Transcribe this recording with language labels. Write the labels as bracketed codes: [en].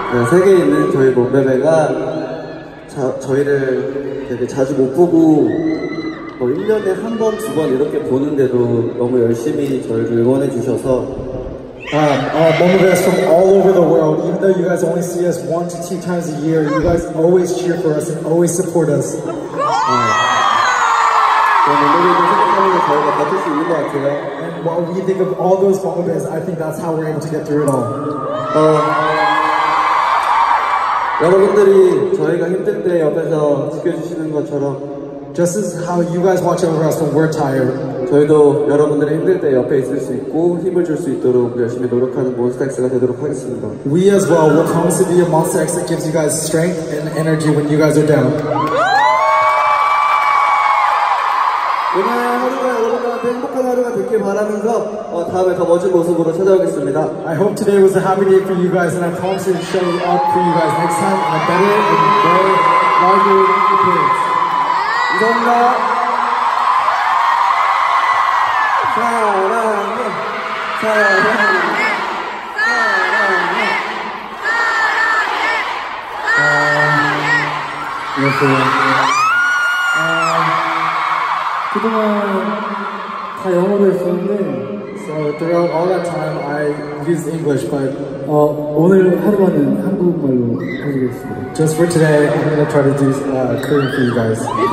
[ko] 세계에 있는 저희 몬베베가 저희를 되게 자주 못 보고 1년에 한 번, 두 번 이렇게 보는데도 너무 열심히 저희를 응원해 주셔서 [en] 몬베베's from all over the world. Even though you guys only see us 1 to 2 times a year, you guys always cheer for us and always support us. [ko] 몬베베도 생각하는 게 저희가 버틸 수 있는 것 같아요. [en] And while we think of all those mombes, I think that's how we're able to get through it all. [ko] 여러분들이 저희가 힘들 때 옆에서 지켜주시는 것처럼 [en] Just as how you guys watch over us when we're tired [ko] 저희도 여러분들이 힘들 때 옆에 있을 수 있고 힘을 줄 수 있도록 열심히 노력하는 몬스타엑스가 되도록 하겠습니다. [en] We as well will promise to be a monsterx that gives you guys strength and energy when you guys are down. [ko] 오늘 하루가 여러분들한테 행복한 하루가 되길 바라면서 다음에 더 멋진 모습으로 찾아오겠습니다. [en] I hope today was a happy day for you guys, and I promise to show up for you guys next time in a better and more larger appearance. [ko] 감사합니다. 사랑해, 사랑해. 사랑해, 사랑해. 그동안 다 영어로 했었는데, [en] throughout all that time, I used English, but [ko] 오늘 하루만은 한국말로 해보겠습니다. [en] Just for today, I'm gonna try to do Korean for you guys.